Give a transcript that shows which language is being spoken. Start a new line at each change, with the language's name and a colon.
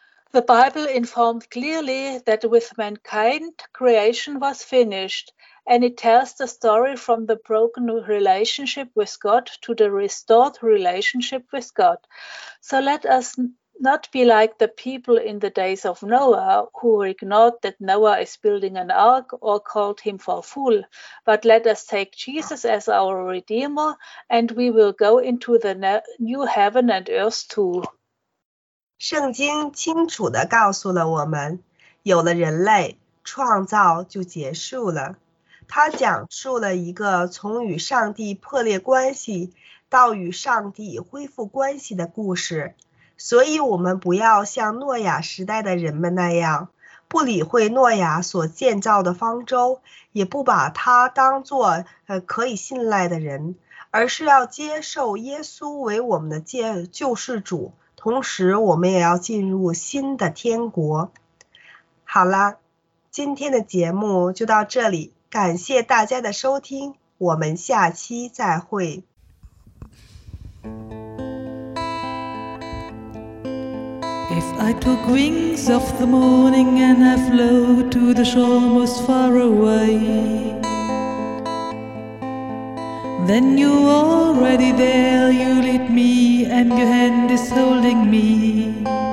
English: The Bible informed clearly that with mankind, creation was finished, and it tells the story from the broken relationship with God to the restored relationship with God. So let us not be like the people in the days of Noah, who ignored that Noah is building an ark or called him for a fool. But let us take Jesus as our Redeemer, and we will go into the new heaven and earth too.
Chinese: 圣经清楚地告诉了我们，有了人类，创造就结束了。他讲述了一个从与上帝破裂关系到与上帝恢复关系的故事。所以我们不要像诺亚时代的人们那样，不理会诺亚所建造的方舟，也不把他当作可以信赖的人，而是要接受耶稣为我们的救世主，同时我们也要进入新的天国。好了，今天的节目就到这里，感谢大家的收听，我们下期再会。
English: If I took wings of the morning and I flew to the shore most far away, then you're already there, you lead me and your hand is holding me.